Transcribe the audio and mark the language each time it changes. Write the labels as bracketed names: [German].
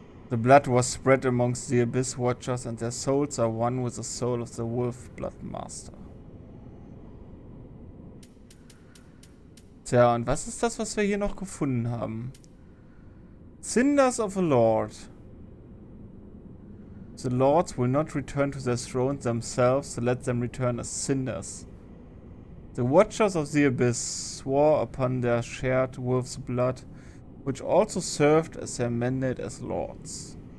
[English] The blood was spread amongst the Abyss Watchers and their souls are one with the soul of the Wolf Blood Master. [German] Tja, und was ist das, was wir hier noch gefunden haben? [English] Cinders of the Lord. The lords will not return to their thrones themselves, so let them return as cinders. The watchers of the abyss swore upon their shared wolf's blood, which also served as their mandate as lords.